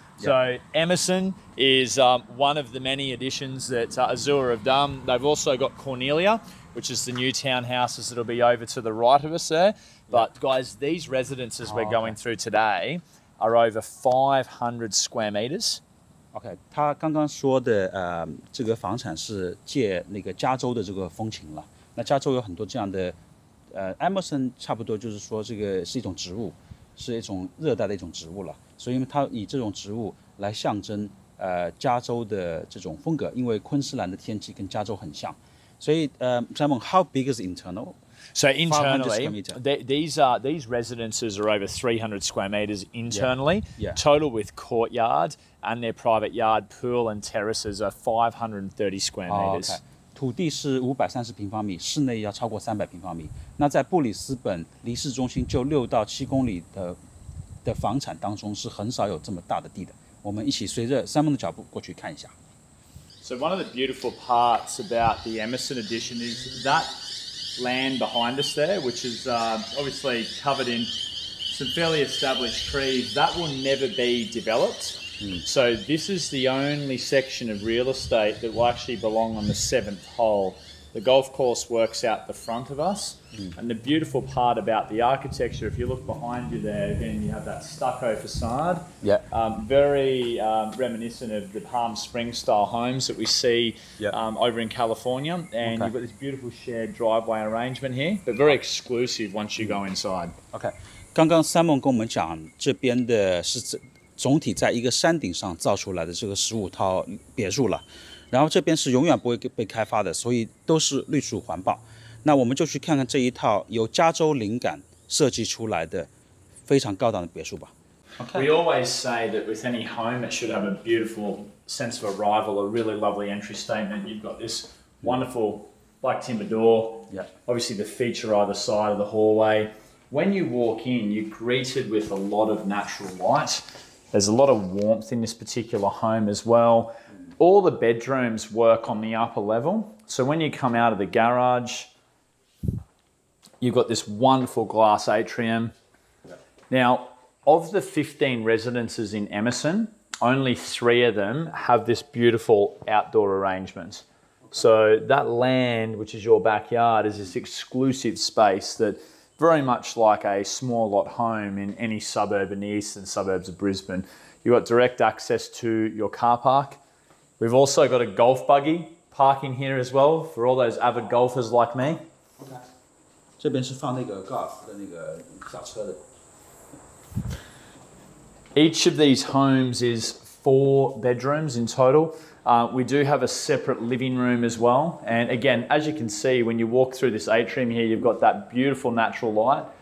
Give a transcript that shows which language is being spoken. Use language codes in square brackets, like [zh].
[en] So Emerson is one of the many additions that Azua have done. They've also got Cornelia, which is the new townhouses that'll be over to the right of us there. But guys, these residences we're going through today are over 500 square meters. [zh] Okay, 他刚刚说的这个房产是借那个加州的这个风情了。那加州有很多这样的Emerson 差不多就是说这个是一种植物，是一种热带的一种植物了。所以他以这种植物来象征加州的这种风格，因为昆士兰的天气跟加州很像。所以 [en] Simon, how big is internal? So internally, these residences are over 300 square meters internally. Total with courtyard and their private yard, pool and terraces are 530 square meters. [zh] 土地是530平方米，室内要超过300平方米。那在布里斯本离市中心就6到7公里的房产当中，是很少有这么大的地的。我们一起随着Simon的脚步过去看一下。 [en] So one of the beautiful parts about the Emerson edition is that land behind us there, which is obviously covered in some fairly established trees, that will never be developed. So this is the only section of real estate that will actually belong on the seventh hole. The golf course works out the front of us. And the beautiful part about the architecture, if you look behind you there, again, you have that stucco facade. Very reminiscent of the Palm Springs style homes that we see over in California. And you've got this beautiful shared driveway arrangement here, but very exclusive once you go inside. Okay. [zh] 刚刚 Simon 跟我们讲这边的是总体在一个山顶上造出来的这个15套别墅了。然后这边是永远不会被开发的，所以都是绿树环抱。那我们就去看看这一套由加州灵感设计出来的非常高档的别墅吧。 [en] We always say that with any home, it should have a beautiful sense of arrival, a really lovely entry statement. You've got this wonderful black timber door. Obviously, the feature either side of the hallway. When you walk in, you're greeted with a lot of natural light. There's a lot of warmth in this particular home as well. All the bedrooms work on the upper level. So when you come out of the garage, You've got this wonderful glass atrium. Now, of the 15 residences in Emerson, only three of them have this beautiful outdoor arrangement. So that land, which is your backyard, is this exclusive space that very much like a small lot home in any suburb in the eastern suburbs of Brisbane. You've got direct access to your car park. We've also got a golf buggy parking here as well for all those avid golfers like me. Okay. [zh] 这边是放那个高尔夫的那个小车的。 [en] Each of these homes is four bedrooms in total. We do have a separate living room as well. And again, as you can see, when you walk through this atrium here, you've got that beautiful natural light.